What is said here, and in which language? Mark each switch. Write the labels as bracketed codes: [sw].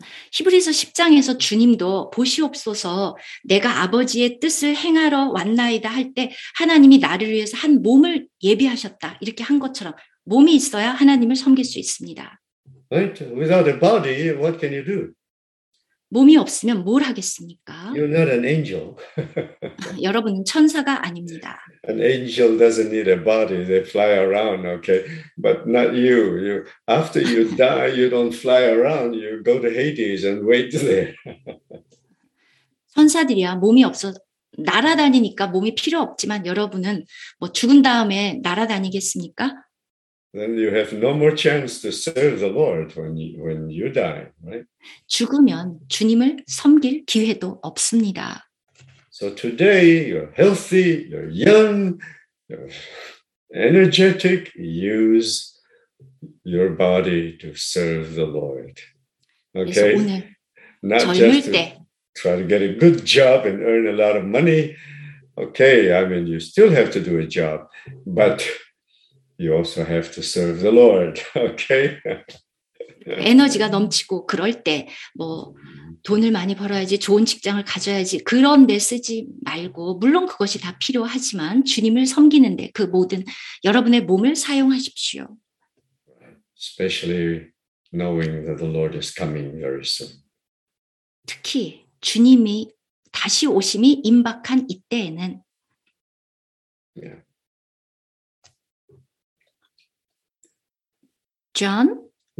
[ko] 히브리서 10장에서 주님도 보시옵소서 내가 아버지의 뜻을 행하러 왔나이다 할 때 하나님이 나를 위해서 한 몸을 예비하셨다 이렇게 한 것처럼 몸이 있어야 하나님을 섬길 수 있습니다. [en] Right? Without a body, what can you do? [ko] 몸이 없으면 뭘 하겠습니까? [en] You're not an angel. [ko] 여러분은 천사가 아닙니다. [en] An angel doesn't need a body. They fly around, okay? But not you. You after you die, you don't fly around. You go to Hades and wait there. [ko] 천사들이야 몸이 없어 날아다니니까 몸이 필요 없지만 여러분은 뭐 죽은 다음에 날아다니겠습니까? [en] Then you have no more chance to serve the Lord when you die, right? [ko] 죽으면 주님을 섬길 기회도 없습니다. [en] So today you're healthy, you're young, you're energetic. Use your body to serve the Lord. Okay. [ko] 그래서 오늘 젊을 때 [en] try to get a good job and earn a lot of money. Okay, I mean you still have to do a job, but you also have to serve the Lord, okay? [ko] 에너지가 넘치고 그럴 때 뭐 돈을 많이 벌어야지 좋은 직장을 가져야지 그런 데 쓰지 말고 물론 그것이 다 필요하지만 주님을 섬기는 데 그 모든 여러분의 몸을 사용하십시오. [en] Especially knowing that the Lord is coming very soon. [ko] 특히 주님이 다시 오심이 임박한 이때에는 John?